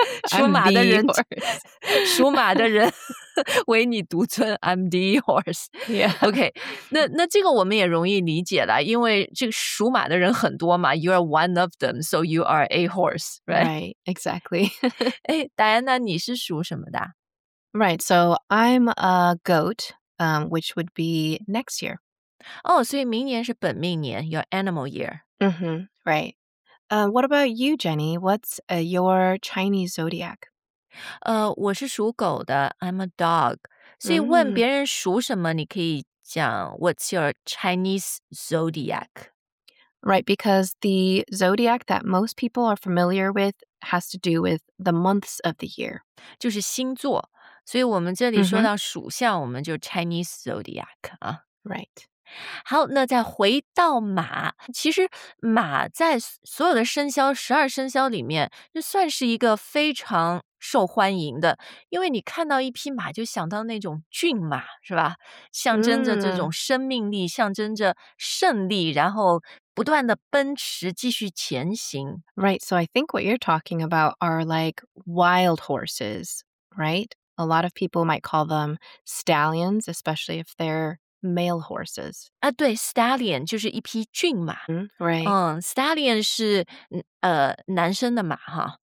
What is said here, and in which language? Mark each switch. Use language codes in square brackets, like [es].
[zh] 属马的人属马的人唯你独尊， [en] I'm the horse. Yeah. [zh] OK, 那这个我们也容易理解了，因为这个属马的人很多嘛， [en] you are one of them, so you are a horse, right? Exactly. [zh] 哎，戴安娜，你是属什么的？ [en] Right, so I'm a goat, which would be next year. Oh, so [zh] 明年是本命年, [en] your animal year. Right. What about you, Jenny? What's your Chinese zodiac? [zh] 我是属狗的, [en] I'm a dog. [zh] 所以问别人属什么, 你可以讲 [en] what's your Chinese zodiac? Right, because the zodiac that most people are familiar with has to do with the months of the year. [zh] 就是星座。所以我们这里说到属相, 我们就 Chinese zodiac. [en] Right. [zh] 好，那再回到马，其实马在所有的生肖十二生肖里面就算是一个非常受欢迎的，因为你看到一匹马就想到那种骏马，是吧？象征着这种生命力，象征着胜利，然后不断的奔驰继续前行。 [en] Right, so I think what you're talking about are like wild horses, right? A lot of people might call them stallions, especially if they'rematale horses. [zh] 啊，对， stallion 就是一匹骏马。 [en] Right. [zh] Stallion 是男生的马哈。